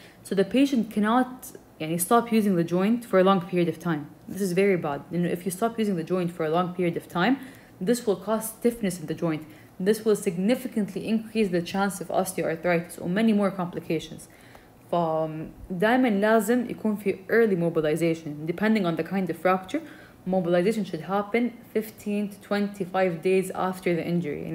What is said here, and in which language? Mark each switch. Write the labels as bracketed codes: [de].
[en] So the patient cannot يعني stop using the joint for a long period of time. This is very bad. You know, if you stop using the joint for a long period of time, this will cause stiffness in the joint. This will significantly increase the chance of osteoarthritis or many more complications. [ar] دائما لازم يكون في early mobilization. [en] Depending on the kind of fracture, mobilization should happen 15 to 25 days after the injury.